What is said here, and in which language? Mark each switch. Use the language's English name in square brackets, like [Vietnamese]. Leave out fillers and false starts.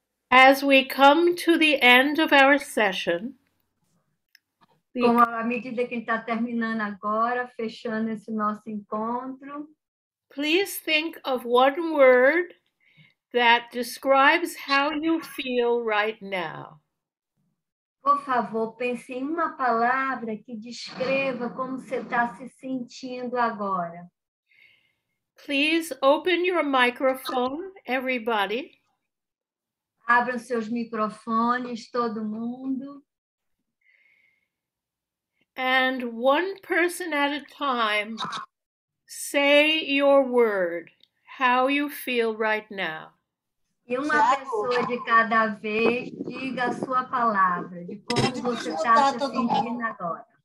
[English] As we come to the end of our session. [Portuguese] Como à medida que está terminando agora, fechando esse nosso encontro. [English] Please think of one word that describes how you feel right now. [Portuguese] Por favor, pense em uma palavra que descreva como você está se sentindo agora. [English] Please open your microphone, everybody. [Portuguese] Abram seus microfones, todo mundo. [English] And one person at a time, say your word, how you feel right now. [Portuguese] E uma pessoa de cada vez diga a sua palavra, de como você está se sentindo agora.